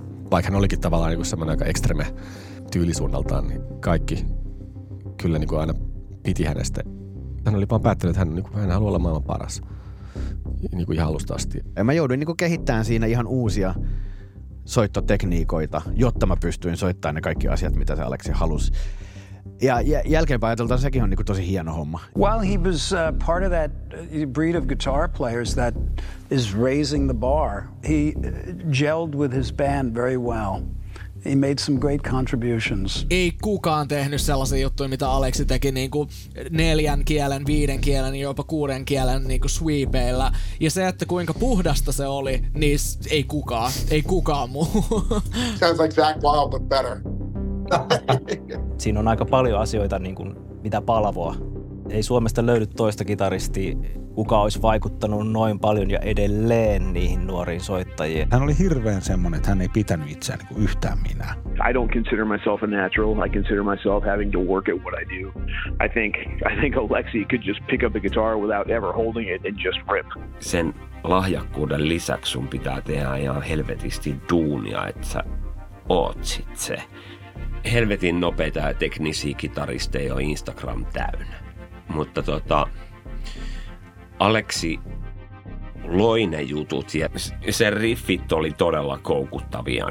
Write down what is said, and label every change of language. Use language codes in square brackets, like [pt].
[fi] Vaikka hän olikin tavallaan niinku semmoinen aika ekstreme tyylisuunnaltaan, niin kaikki kyllä niinku aina piti hänestä. Hän oli vaan päättänyt, että hän haluaa olla maailman paras. Niin kuin ihan alusta asti. Ja mä jouduin niin kuin kehittämään siinä ihan uusia soittotekniikoita, jotta mä pystyin soittamaan ne kaikki asiat, mitä se Aleksi halusi. Ja jälkeenpäin ajateltaan, sekin on niin kuin tosi hieno homma. [en] Well, he was part of that breed of guitar players that is raising the bar. He gelled with his band very well. He made some great contributions. [fi] Ei kukaan tehnyt sellaisia juttuja, mitä Aleksi teki niin kuin 4 kielen, 5 kielen ja jopa 6 kielen niin kuin sweepeillä. Ja se, että kuinka puhdasta se oli, niin ei kukaan. Ei kukaan muu. [en] Sounds like Zach Wild, but better. [fi] Siinä on aika paljon asioita, niin kuin, mitä palvoa. Ei Suomesta löydy toista kitaristia, kuka olisi vaikuttanut noin paljon ja edelleen niihin nuoriin soittajiin. Hän oli hirveän semmoinen, että hän ei pitänyt itseään niin kuin yhtään minä. [en] I don't consider myself a natural. I consider myself having to work at what I do. I think Aleksi could just pick up a guitar without ever holding it and just rip. [fi] Sen lahjakkuuden lisäksi sun pitää tehdä ihan helvetisti duunia, että sä oot sit se. Helvetin nopeita ja teknisiä kitaristeja on Instagram täynnä. Mutta Aleksi loi ne jutut ja sen riffit oli todella koukuttavia.